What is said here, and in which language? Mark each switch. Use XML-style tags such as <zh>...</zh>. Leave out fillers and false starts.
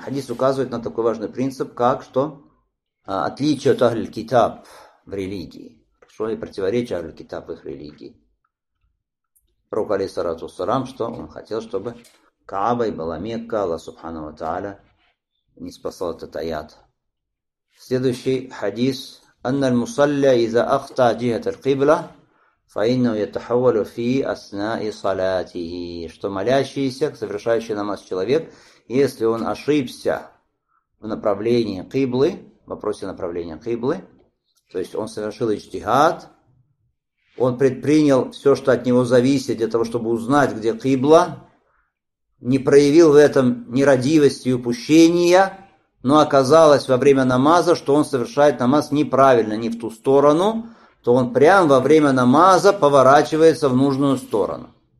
<ru>Хадис указывает на такой важный принцип, как что? Отличие от Ахлиль Китаб в религии. Что и противоречие Ахлиль Китаб в их религии. Пророк Али Сарату Сарам, что он хотел, чтобы Кааба и была Мекка, Аллах Субхану Ва Тааля, не спасал этот аят. Следующий хадис.</ru> <ar>أن المصلي إذا أخطأ جهة القبلة فإنه يتحول في أثناء صلاته.</ar> <ru>что молящийся, совершающий намаз человек, если он ошибся в направлении قبلы, в вопросе направления قبلы, то есть он совершил иджтихад, он предпринял все, что от него зависит, для того, чтобы узнать, где قبلа, не проявил в этом нерадивости и упущения, но оказалось во время намаза, что он совершает намаз неправильно, не в ту сторону, то он прямо во время намаза поворачивается в нужную сторону.</ru>